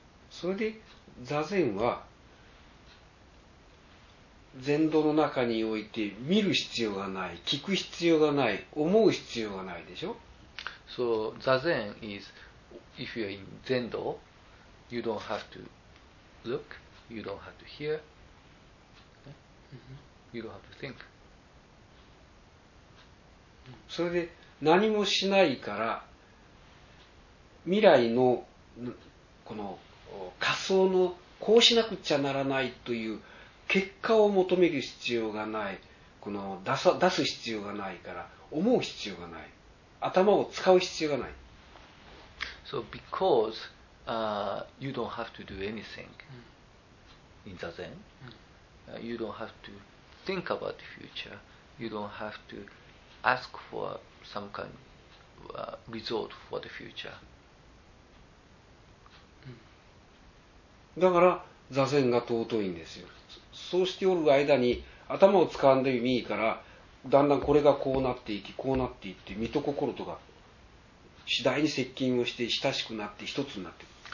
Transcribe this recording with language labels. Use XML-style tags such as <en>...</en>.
<ja>それで座禅は禅道の中において見る必要がない、聞く必要がない、思う必要がないでしょ。</ja> <en>So, zazen is, if you are in zendo, you don't have to look, you don't have to hear, you don't have to think.</en> <ja>それで何もしないから未来のこの仮想のこうしなくちゃならないという結果を求める必要がない、この出す必要がないから思う必要がない、頭を使う必要がない。</ja> <en>So because you don't have to do anything in zazen, you don't have to think about the future, you don't have to ask for some kind of result for the future.</en> <ja>だから座禅が尊いんですよ。そうしておる間に頭を使わんでもいいからだんだんこれがこうなっていき、こうなっていって、身と心とが次第に接近をして親しくなって一つになっていく。</ja>